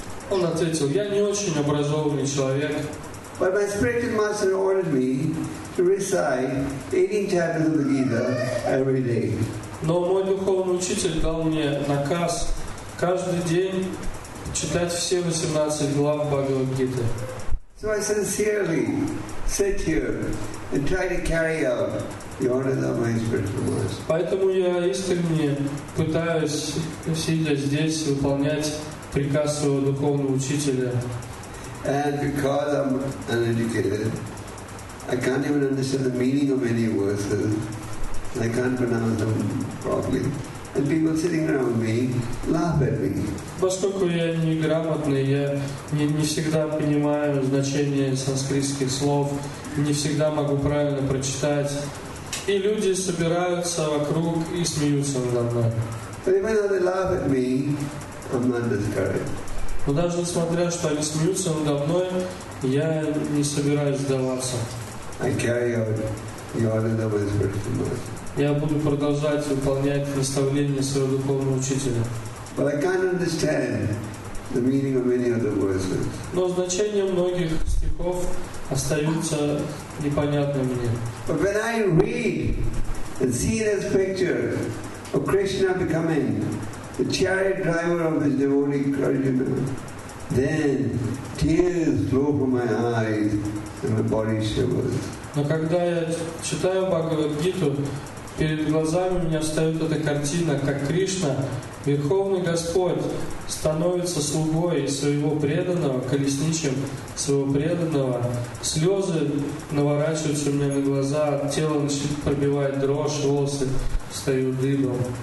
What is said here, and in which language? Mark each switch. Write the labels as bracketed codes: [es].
[ru] Он ответил, я не очень образованный человек. [en] But my spiritual master ordered me to recite 18 chapters of the Gita every day. [ru] Но мой духовный учитель дал мне наказ каждый день читать все 18 глав Бхагавад-гиты. [en] So I sincerely sit here and try to carry out the orders of my spiritual master. [ru] Поэтому я искренне пытаюсь сидя здесь выполнять приказ своего духовного учителя. [en] And because I'm uneducated, I can't even understand the meaning of any verses, and I can't pronounce them properly. And people sitting around me laugh at me. [ru] Поскольку я неграмотный, я не всегда понимаю значение санскритских слов, не всегда могу правильно прочитать, и люди собираются вокруг и смеются надо мной. [en] But even though they laugh at me, I'm not discouraged. [ru] Но даже несмотря, что они смеются надо мной, я не собираюсь сдаваться. [en] I carry out the order of my spiritual master. [ru] Я буду продолжать выполнять наставления своего духовного учителя. [en] But I can't understand the meaning of many of the verses. [ru] Но значение многих стихов остается непонятным мне. [en] But when I read and see this picture of Krishna becoming the chariot driver of his devotee Arjuna, then tears flow from my eyes and my body shivers. [ru] Но когда я читаю Бхагавад-гиту, перед глазами у меня встает эта картина, как Кришна, Верховный Господь, становится слугой своего преданного, колесничем своего преданного. Слезы наворачиваются у меня на глаза, тело начинает пробивать дрожь, волосы встают дыбом.